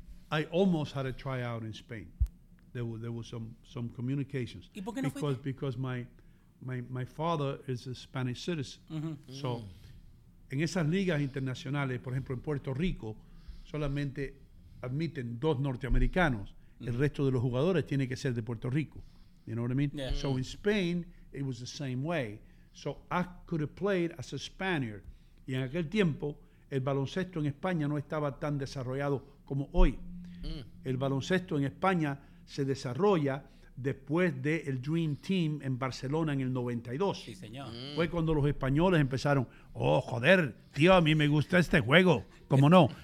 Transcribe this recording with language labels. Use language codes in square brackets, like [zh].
[en] I almost had a tryout in Spain. There were some communications. [es] ¿Y por qué no [en] because fuiste? Because my father is a Spanish citizen. Mm-hmm. [es] So, en esas ligas internacionales, por ejemplo, en Puerto Rico, solamente admiten dos norteamericanos. Mm-hmm. El resto de los jugadores tiene que ser de Puerto Rico. [en] You know what I mean? Yeah. So in Spain, it was the same way. So I could have played as a Spaniard. [es] Y en aquel tiempo, el baloncesto en España no estaba tan desarrollado como hoy. El baloncesto en España se desarrolla después del Dream Team en Barcelona en el 92. Sí, señor. Fue cuando los españoles empezaron, oh, joder, tío, a mí me gusta este juego. ¿Cómo no?